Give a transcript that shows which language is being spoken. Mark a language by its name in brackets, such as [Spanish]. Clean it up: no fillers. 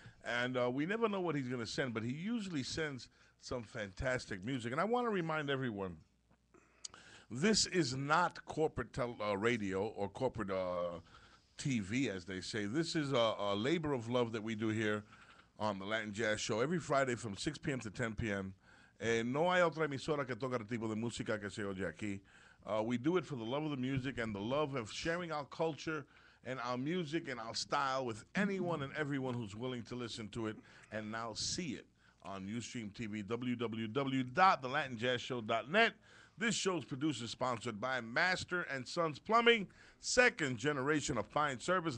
[English] And we never know what he's going to send, but he usually sends some fantastic music. And I want to remind everyone, this is not corporate radio or corporate TV, as they say. This is a labor of love that we do here on the Latin Jazz Show every Friday from 6 p.m. to 10 p.m. [Spanish] No hay otra emisora que toca el tipo de música que se oye aquí. [English] We do it for the love of the music and the love of sharing our culture and our music and our style with anyone and everyone who's willing to listen to it and now see it on Ustream TV, www.thelatinjazzshow.net. This show's produced and sponsored by Master and Sons Plumbing, second generation of fine service.